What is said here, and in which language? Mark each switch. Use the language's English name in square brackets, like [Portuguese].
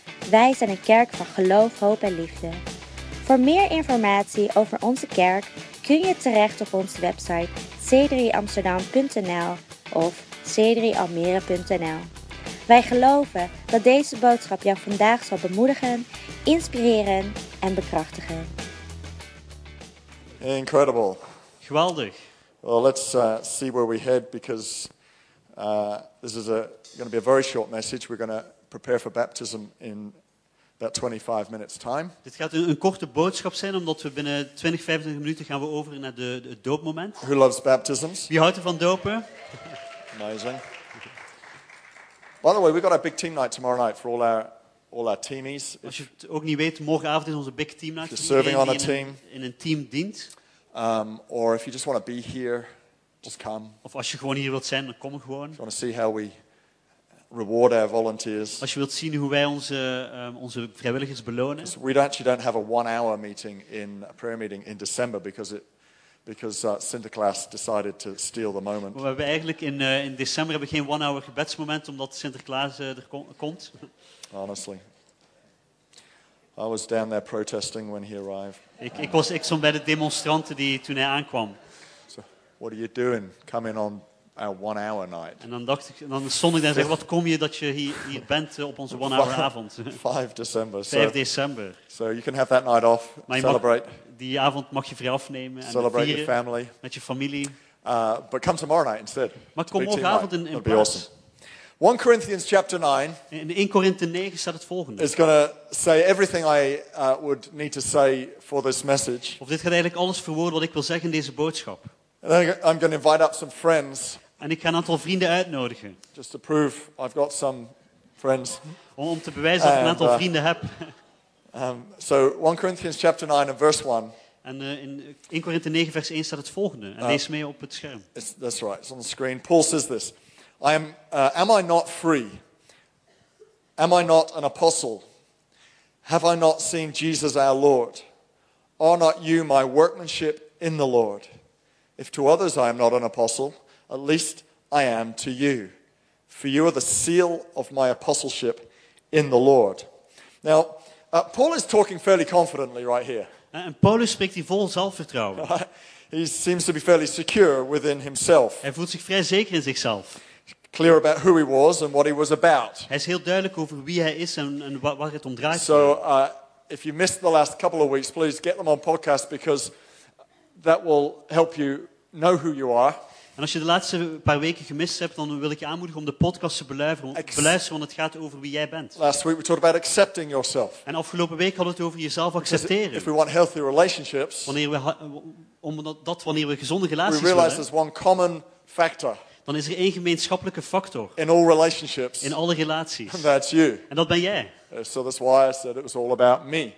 [Dutch] Wij zijn een kerk van geloof, hoop en liefde. Voor meer informatie over onze kerk kun je terecht op onze website c3amsterdam.nl of c3almere.nl. Wij geloven dat deze boodschap jou vandaag zal bemoedigen, inspireren en bekrachtigen. [English] Incredible. [Dutch] Geweldig. [English] Well, let's see where we head because this is going to be a very short message. We're going to prepare for baptism in about 25 minutes time. [Dutch] Dit gaat een korte boodschap zijn omdat we binnen 25 minuten gaan we over naar het doopmoment. [English] Who loves baptisms? [Dutch] Wie houdt er van dopen? [English] Amazing. By the way, we've got our big team night tomorrow night for all our teamies. [Dutch] Als je het ook niet weet, morgenavond is onze big team night. [English] If you're serving on a team. [Dutch] In een team dient. [English] Or if you just want to be here. Just come. [Dutch] Of als je gewoon hier wilt zijn, dan kom gewoon. [English] If you want to see how we reward our volunteers. [Dutch] Als je wilt zien hoe wij onze vrijwilligers belonen. [English] We actually don't have a one-hour meeting in a prayer meeting in December because Sinterklaas decided to steal the moment. [Dutch] We hebben eigenlijk in december hebben geen one-hour gebedsmoment omdat Sinterklaas komt. [English] Honestly, I was down there protesting when he arrived. [Dutch] Ik stond bij de demonstranten die toen hij aankwam. [English] What are you doing coming on our one-hour night? [Dutch] En dan stond ik daar en zei, wat kom je dat je hier bent op onze one-hour avond? 5 december. [English] So you can have that night off, celebrate. [Dutch] Die avond mag je vrij afnemen en [English] celebrate your family. [Dutch] Met je familie. [English] But come tomorrow night instead. [Dutch] Maar kom morgenavond in plaats. [English] Awesome. 1 Corinthians chapter 9. [Dutch] In 1 Korinthe 9 staat het volgende. [English] It's going to say everything I would need to say for this message. [Dutch] Of dit gaat eigenlijk alles verwoorden wat ik wil zeggen in deze boodschap. [English] And I'm going to invite up some friends. [Dutch] En ik ga een aantal vrienden uitnodigen. [English] Just to prove I've got some friends. [Dutch] Om te bewijzen dat ik een aantal vrienden heb. [English] So 1 Corinthians chapter 9 and verse 1. [Dutch] En in 1 Korinthe 9 vers 1 staat het volgende. En lees mee op het scherm. [English] That's right, it's on the screen. Paul says this. Am I not free? Am I not an apostle? Have I not seen Jesus our Lord? Are not you my workmanship in the Lord? If to others I am not an apostle, at least I am to you. For you are the seal of my apostleship in the Lord. Now, Paul is talking fairly confidently right here. [Dutch] En Paulus spreekt hier vol zelfvertrouwen. [English] He seems to be fairly secure within himself. [Dutch] Hij voelt zich vrij zeker in zichzelf. [English] Clear about who he was and what he was about. [Dutch] Hij is heel duidelijk over wie hij is en waar het om draait. [English] So, if you missed the last couple of weeks, please get them on podcast because that will help you know who you are. [Dutch] En als je de laatste paar weken gemist hebt, dan wil ik je aanmoedigen om de podcast te beluisteren, want het gaat over wie jij bent. [English] Last week we talked about accepting yourself. [Dutch] En afgelopen week hadden we het over jezelf accepteren. [English] If we want healthy relationships, [Dutch] wanneer we gezonde relaties [English] we realize [Dutch] willen, [English] there's one common factor. [Dutch] Dan is er één gemeenschappelijke factor. [English] In all relationships. [Dutch] In alle relaties. [English] And that's you. [Dutch] En dat ben jij. [English] So that's why I said it was all about me.